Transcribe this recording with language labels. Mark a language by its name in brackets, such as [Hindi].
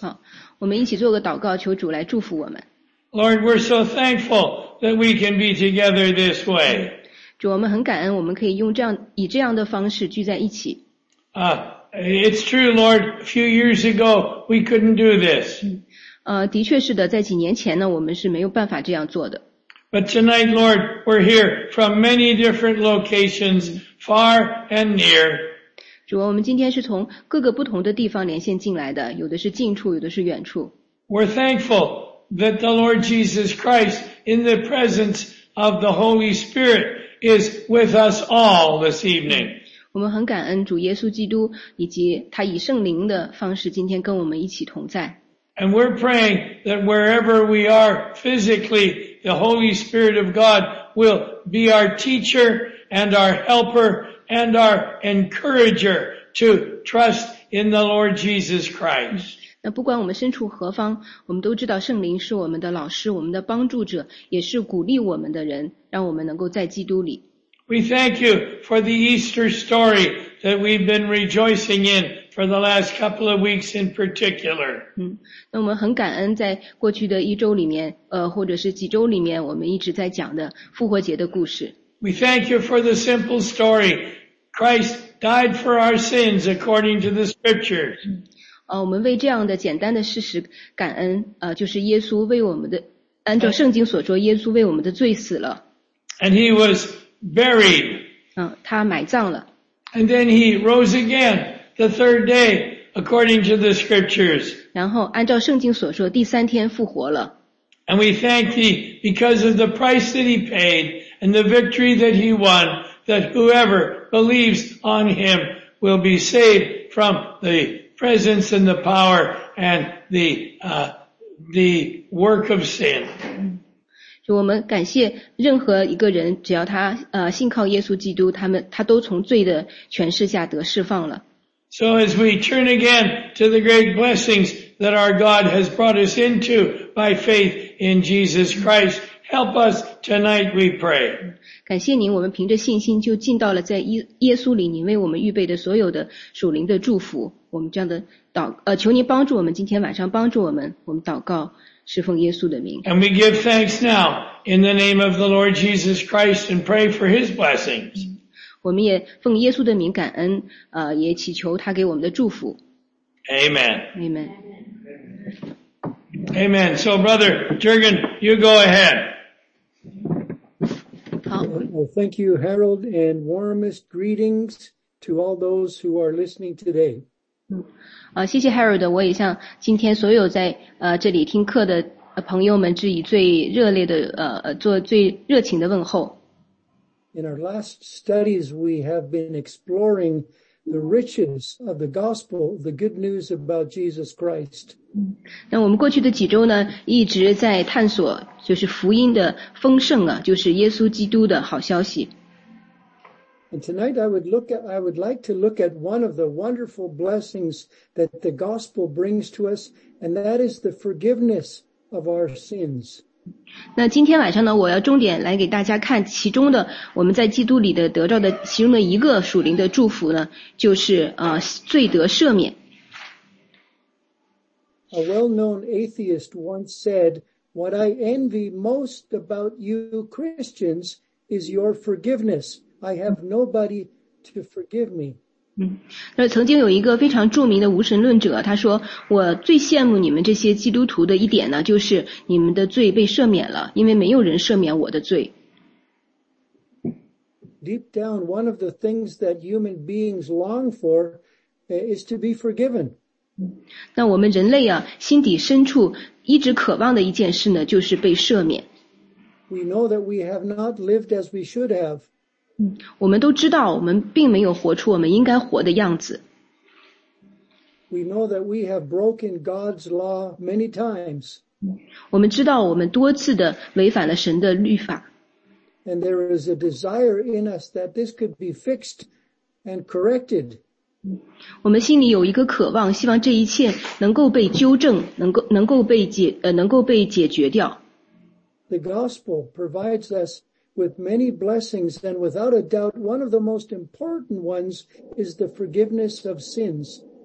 [Chinese] 好，我们一起做个祷告，求主来祝福我们。 [English] Lord, we're so thankful that we can be together this way. [Chinese] 主，我们很感恩，我们可以用这样以这样的方式聚在一起。 [English] It's true, Lord. A few years ago, we couldn't do this. [Chinese] 的确是的，在几年前呢，我们是没有办法这样做的。 [English] But tonight, Lord, we're here from many different locations, far and near. [Chinese] 主，我们今天是从各个不同的地方连线进来的，有的是近处，有的是远处。 [English] We're thankful that the Lord Jesus Christ, in the presence of the Holy Spirit, is with us all this evening. [Chinese] 我们很感恩主耶稣基督以及他以圣灵的方式今天跟我们一起同在。 [English] And we're praying that wherever we are physically, the Holy Spirit of God will be our teacher and our helper and our encourager to trust in the Lord Jesus Christ. [Chinese] 那不管我们身处何方，我们都知道圣灵是我们的老师，我们的帮助者，也是鼓励我们的人，让我们能够在基督里。 [English] We thank you for the Easter story that we've been rejoicing in for the last couple of weeks in particular. [Chinese] 那我们很感恩在过去的一周里面或者是几周里面我们一直在讲的复活节的故事。 [English] We thank you for the simple story. Christ died for our sins according to the scriptures. [Chinese] 我们为这样的简单的事实感恩就是耶稣为我们的按照圣经所说耶稣为我们的罪死了。 [English] And he was buried. [Chinese] 他埋葬了。 [English] And then he rose again the third day, according to the scriptures. [Chinese] 然后按照圣经所说第三天复活了。 [English] And we thank thee because of the price that he paid and the victory that he won, that whoever believes on him will be saved from the presence and the power and the work of sin. [Chinese] 就我们感谢任何一个人只要他信靠耶稣基督他都从罪的权势下得释放了。 [English] So as we turn again to the great blessings that our God has brought us into by faith in Jesus Christ, help us tonight, we pray. [Chinese] 感谢您我们凭着信心就进到了在耶稣里您为我们预备的所有的属灵的祝福。我们这样的祷求您帮助我们今天晚上帮助我们我们祷告。侍奉耶稣的名。 [English] And we give thanks now in the name of the Lord Jesus Christ and pray for his blessings. [Chinese] 我们也奉耶稣的名感恩也祈求他给我们的祝福。 [English] Amen. Amen. Amen. So brother, Jurgen, you go ahead. [Chinese] 好。 [English] Well, thank you, Harold, and warmest greetings to all those who are listening today. [Chinese] 谢谢 Harold， 我也向今天所有在这里听课的朋友们致以最热烈的做最热情的问候。 [English] In our last studies, we have been exploring the riches of the gospel, the good news about Jesus Christ. [Chinese] 那我们过去的几周呢，一直在探索就是福音的丰盛啊，就是耶稣基督的好消息。 [English] And tonight I would like to look at one of the wonderful blessings that the gospel brings to us, and that is the forgiveness of our sins. [Chinese] 那今天晚上呢，我要重点来给大家看其中的我们在基督里的得到的其中的一个属灵的祝福呢，就是罪得赦免。 [English] A well-known atheist once said, "What I envy most about you Christians is your forgiveness." I have nobody to forgive me. [Chinese] 那曾经有一个非常著名的无神论者，他说：“我最羡慕你们这些基督徒的一点呢，就是你们的罪被赦免了，因为没有人赦免我的罪。” [English] Deep down, one of the things that human beings long for is to be forgiven. [Chinese] 那我们人类啊，心底深处一直渴望的一件事呢，就是被赦免。 [English] We know that we have not lived as we should have. [Chinese] 我们都知道我们并没有活出我们应该活的样子。 [English] We know that we have broken God's law many times. [Chinese] 我们知道我们多次的违反了神的律法。 [English] And there is a desire in us that this could be fixed and corrected. [Chinese] 我们心里有一个渴望，希望这一切能够被纠正，能够被解决掉。 [English] The gospel provides us with many blessings, then without a doubt, one of the most important ones is the forgiveness of sins.